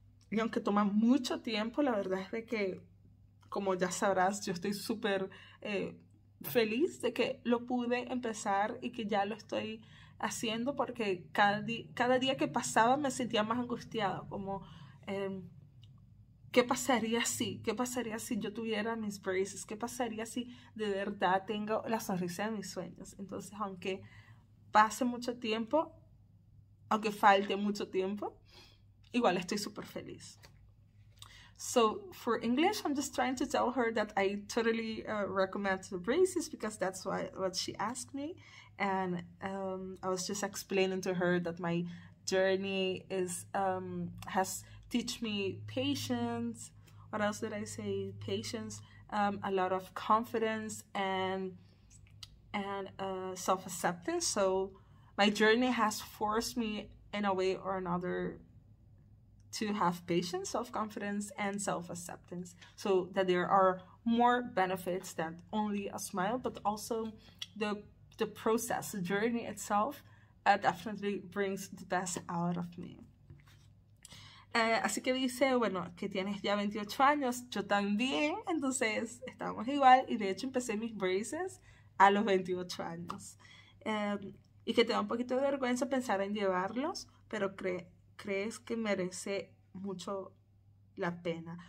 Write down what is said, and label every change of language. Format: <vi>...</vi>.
<es>Y aunque toma mucho tiempo, la verdad es de que, como ya sabrás, yo estoy súper feliz de que lo pude empezar y que ya lo estoy haciendo porque cada día que pasaba me sentía más angustiada, como ¿qué pasaría si? ¿Qué pasaría si yo tuviera mis braces? ¿Qué pasaría si de verdad tengo la sonrisa de mis sueños? Entonces, aunque pase mucho tiempo, aunque falte mucho tiempo, igual estoy súper feliz.</es> <en>So, for English, I'm just trying to tell her that I totally recommend the braces because that's what she asked me. And I was just explaining to her that my journey has teach me patience. What else did I say? Patience, a lot of confidence and self-acceptance. So my journey has forced me in a way or another to have patience, self-confidence, and self-acceptance. So that there are more benefits than only a smile, but also the process, the journey itself, definitely brings the best out of me.</en> <es>Así que dice, bueno, que tienes ya 28 años, yo también, entonces estamos igual y de hecho empecé mis braces a los 28 años. Y que te da un poquito de vergüenza pensar en llevarlos, pero crees que merece mucho la pena.</es>